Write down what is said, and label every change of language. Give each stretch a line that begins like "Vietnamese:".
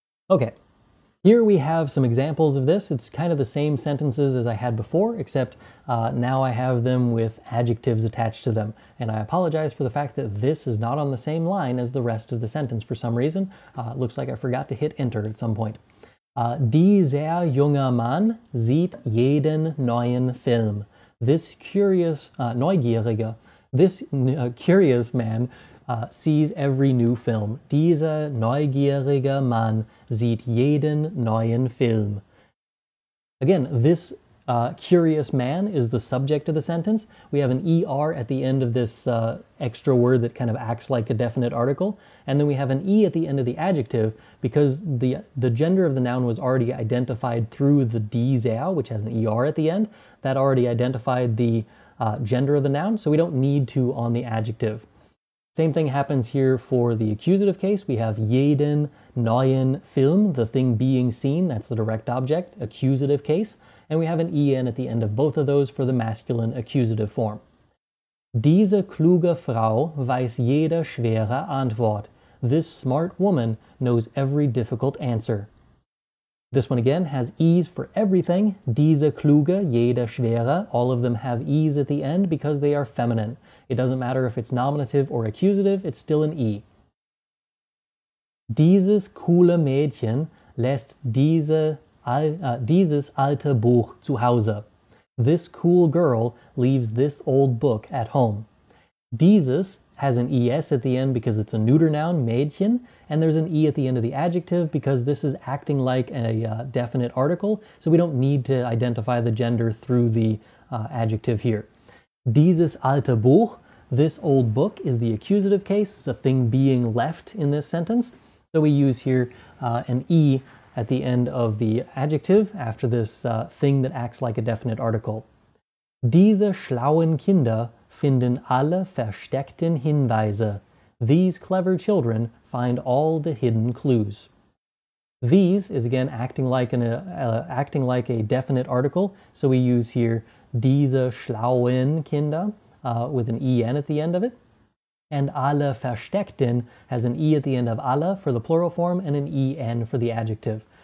English: Okay, here we have some examples of this. It's kind of the same sentences as I had before, except now I have them with adjectives attached to them. And I apologize for the fact that this is not on the same line as the rest of the sentence for some reason. Looks like I forgot to hit enter at some point.
German: Dieser junge Mann sieht jeden neuen Film.
English: This curious man sees every new film.
German: Dieser neugierige Mann sieht jeden neuen Film.
English: Again, this curious man is the subject of the sentence. We have an ER at the end of this extra word that kind of acts like a definite article. And then we have an E at the end of the adjective because the gender of the noun was already identified through the dieser, which has an ER at the end. That already identified the gender of the noun, so we don't need to on the adjective. Same thing happens here for the accusative case. We have
German: jeden neuen Film,
English: the thing being seen. That's the direct object, accusative case. And we have an en at the end of both of those for the masculine accusative form.
German: Diese kluge Frau weiß jede schwere Antwort.
English: This smart woman knows every difficult answer. This one again has E's for everything.
German: Diese kluge, jede schwere.
English: All of them have E's at the end because they are feminine. It doesn't matter if it's nominative or accusative, it's still an E.
German: Dieses coole Mädchen lässt dieses alte Buch zu Hause.
English: This cool girl leaves this old book at home. Dieses has an ES at the end because it's a neuter noun, Mädchen, and there's an E at the end of the adjective because this is acting like a definite article, so we don't need to identify the gender through the adjective here.
German: Dieses alte Buch,
English: this old book, is the accusative case. It's a thing being left in this sentence. So we use here an E at the end of the adjective after this thing that acts like a definite article.
German: Diese schlauen Kinder finden alle versteckten Hinweise.
English: These clever children find all the hidden clues. These is again acting like a definite article. So we use here
German: diese schlauen Kinder
English: with an en at the end of it. And
German: alle versteckten
English: has an e at the end of alle for the plural form and an en for the adjective.